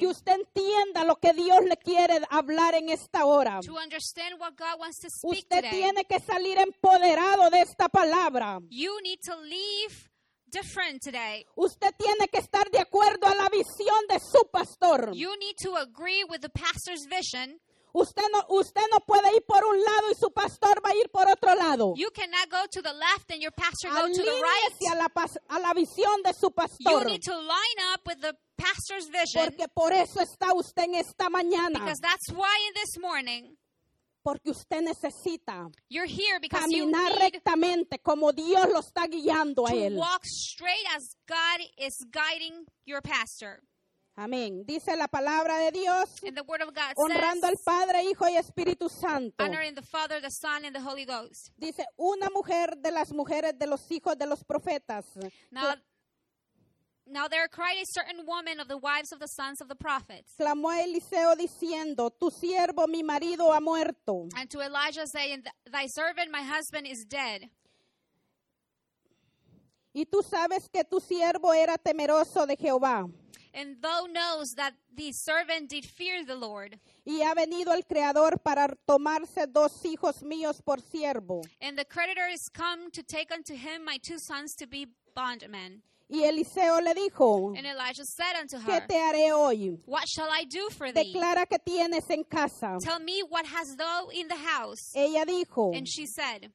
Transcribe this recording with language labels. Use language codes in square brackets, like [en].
[es] Que usted entienda lo que Dios le quiere hablar en esta hora. [en] To understand what God wants to speak [es] usted [en] today. [es] Tiene que salir empoderado de esta palabra. [en] You need to leave different today. [es] Usted tiene que estar de acuerdo a la visión de su pastor. [en] You need to agree with the pastor's vision. [es] Usted no puede ir por un lado y su pastor va a ir por otro lado. [en] You cannot go to the left and your pastor go to the right. [es] A la visión de su pastor. [en] You need to line up with the pastor's vision. [es] Porque por eso está usted en esta mañana. [en] Because that's why in this morning. [es] Porque usted necesita [en] you're here because [es] caminar [en] you need [es] rectamente como Dios lo está guiando a él. [en] To walk straight as God is guiding your pastor. [es] Amén. Dice la palabra de Dios. [en] And the word of God [es] honrando [en] says, [es] al Padre, Hijo y Espíritu Santo. [en] Honoring the Father, the Son, and the Holy Ghost. [es] Dice una mujer de las mujeres de los hijos de los profetas. [en] Now there cried a certain woman of the wives of the sons of the prophets. [es] Clamó a Eliseo diciendo, tu siervo, mi marido, ha muerto. [en] And to Elijah saying, thy servant, my husband, is dead. [es] Y tú sabes que tu siervo era temeroso de Jehová. [en] And thou knows that the servant did fear the Lord. [es] Y ha venido el creador para tomarse dos hijos míos por siervo. [en] And the creditor is come to take unto him my two sons to be bondmen. [es] Y Eliseo le dijo, [en] and Elijah said unto her, [es] ¿qué te haré hoy? [en] What shall I do for [es] declara [en] thee? [es] Que tienes en casa. [en] Tell me what hast thou in the house. [es] Ella dijo, [en] and she said,